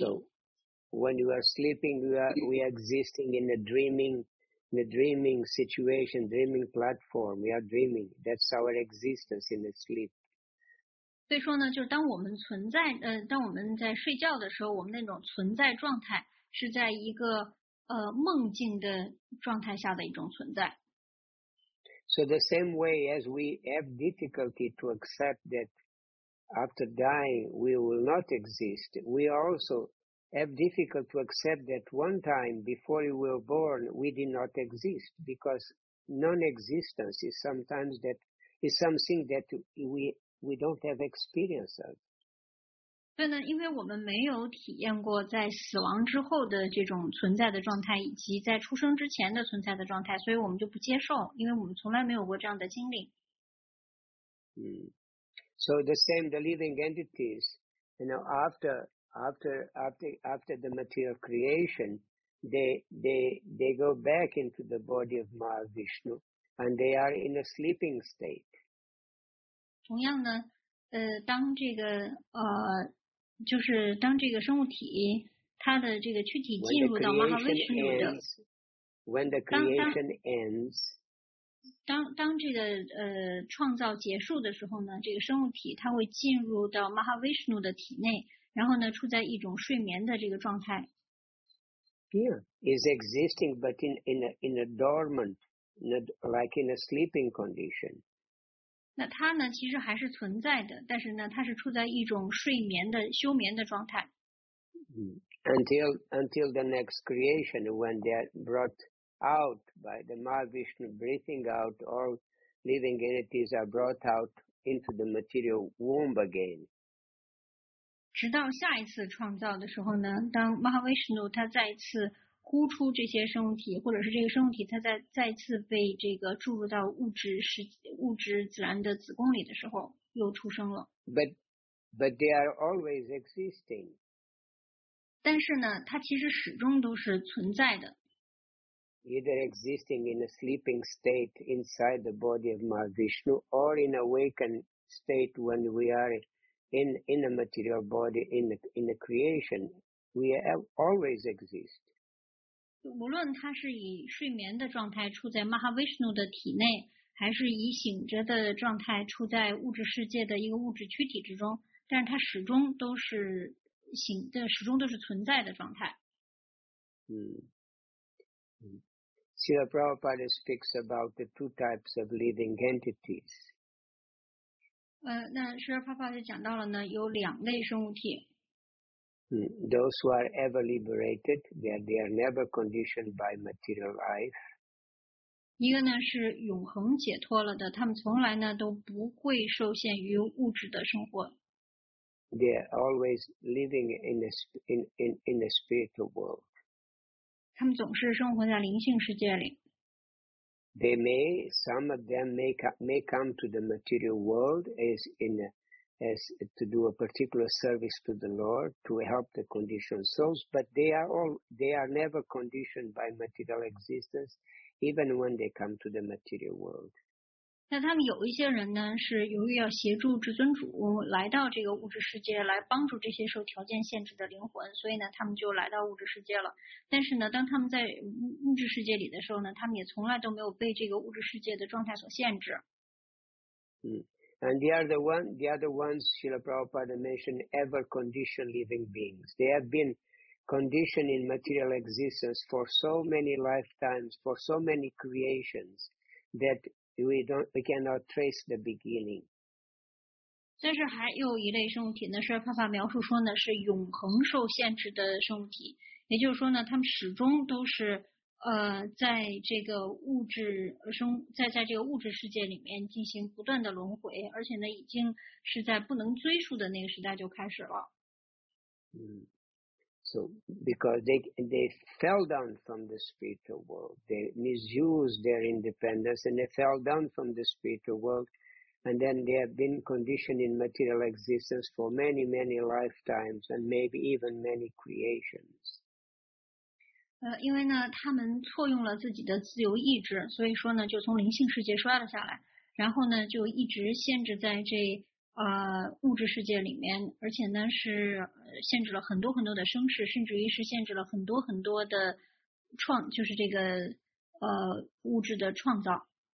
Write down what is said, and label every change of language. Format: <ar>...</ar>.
<en>So, when you are sleeping, we are existing in the dreaming situation, dreaming platform. We are dreaming. That's our existence in the sleep.</en> <zh>所以说呢，就是当我们存在，当我们在睡觉的时候，我们那种存在状态是在一个梦境的状态下的一种存在。</zh> <en>So the same way as we have difficulty to accept that after dying we will not exist, we also have difficulty to accept that one time before we were born we did not exist, because non-existence is something that we don't have experience of.</en> <zh>对呢，因为我们没有体验过在死亡之后的这种存在的状态，以及在出生之前的存在的状态，所以我们就不接受，因为我们从来没有过这样的经历。</zh> <en>So the same, the living entities, you know, after the material creation, they go back into the body of Mahavishnu, and they are in a sleeping state.</en> <zh>同样呢。当这个生物体它的这个躯体进入到 Mahavishnu 的</zh> <en>when the creation ends,</en> <zh>当这个创造结束的时候呢，这个生物体它会进入到 Mahavishnu 的体内，然后呢处在一种睡眠的这个状态。</zh> <en>Yeah, is existing but in a dormant, not like in a sleeping condition.</en> <zh>那它呢其实还是存在的，但是呢它是处在一种睡眠的休眠的状态。</zh> <en>Until the next creation, when they are brought out by the Mahavishnu breathing out, all living entities are brought out into the material womb again.</en> <zh>直到下一次创造的时候呢，当 Mahavishnu 他再一次呼出这些生物体，或者是这个生物体它再次被这个注入到物质自然的子宫里的时候，又出生了。</zh> <en>But they are always existing.</en> <zh>但是呢，它其实始终都是存在的。</zh> <en>Either existing in a sleeping state inside the body of Mahavishnu, or in awakened state when we are in a material body in the creation, we always exist.</en> <zh>无论他是以睡眠的状态处在 Mahavishnu 的体内，还是以醒着的状态处在物质世界的一个物质躯体之中，但是他始终都是醒的，始终都是存在的状态。</zh> <en>Srila Prabhupada speaks about the two types of living entities.</en> <zh>那 Srila Prabhupada 讲到了呢，有两类生物体。</zh> <en>Those who are ever liberated, they are never conditioned by material life.</en> <zh>一个呢是永恒解脱了的，他们从来呢都不会受限于物质的生活。</zh> <en>They are always living in a spiritual world.</en> <zh>他们总是生活在灵性世界里。</zh> <en>They may, some of them may come to the material world as to do a particular service to the Lord, to help the conditioned souls, but they are never conditioned by material existence, even when they come to the material world.</en> <zh>那他们有一些人呢，是由于要协助至尊主来到这个物质世界，来帮助这些受条件限制的灵魂，所以呢，他们就来到物质世界了。但是呢，当他们在物质世界里的时候呢，他们也从来都没有被这个物质世界的状态所限制。</zh> <en>And the other ones Srila Prabhupada mentioned, ever conditioned living beings. They have been conditioned in material existence for so many lifetimes, for so many creations, that we cannot trace the beginning.</en> <zh>但是还有一类生物体呢，是帕帕描述说呢是永恒受限制的生物体，也就是说呢，它们始终都是在这个物质生在这个物质世界里面进行不断的轮回，而且呢，已经是在不能追溯的那个时代就开始了。嗯。</zh> <en>So, because they fell down from the spiritual world, they misused their independence and they fell down from the spiritual world, and then they have been conditioned in material existence for many, many lifetimes and maybe even many creations.</en> <zh>因为呢，他们错用了自己的自由意志，所以说呢，就从灵性世界摔了下来，然后呢，就一直限制在这物质世界里面，而且呢是限制了很多很多的生世，甚至于是限制了很多很多的创，就是这个物质的创造。</zh>